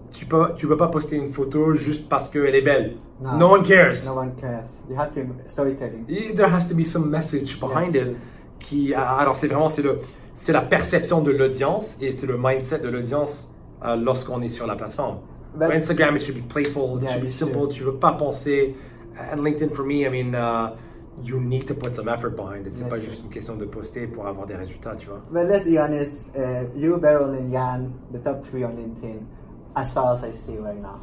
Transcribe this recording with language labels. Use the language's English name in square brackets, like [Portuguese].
[French] Tu peux pas poster une photo juste parce qu'elle est belle. [English] No. No one cares. No one cares. You have to storytelling. There has to be some message behind, yes, it. [French] Qui, alors c'est vraiment, c'est la perception de l'audience et c'est le mindset de l'audience lorsqu'on est sur la plateforme. [English] But for Instagram, it should be playful, yeah, it should be simple, true. [French] Tu veux pas penser. [English] And LinkedIn, for me, I mean, you need to put some effort behind it. [French] C'est, [English] yes, [French] pas juste une question de poster pour avoir des résultats, tu vois. [English] But let's be honest, you, Beryl, and Jan, the top three on LinkedIn, as far as I see right now.